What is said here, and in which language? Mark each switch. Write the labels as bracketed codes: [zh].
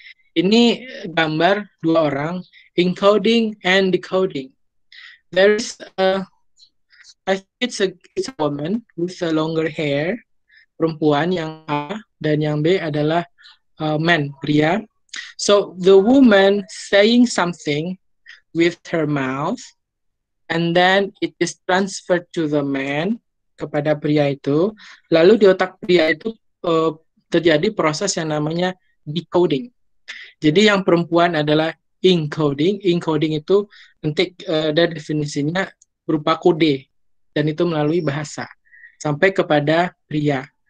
[id] Ini gambar dua orang, encoding and decoding. [en] There is it's a woman with a longer hair, [id] perempuan yang A, dan yang B adalah man, pria. [en] So the woman saying something with her mouth, and then it is transferred to the man, [id] kepada pria itu. Lalu di otak pria itu terjadi proses yang namanya decoding. Jadi yang perempuan adalah encoding. Encoding itu nanti ada definisinya berupa kode. Dan itu melalui bahasa. Sampai kepada pria.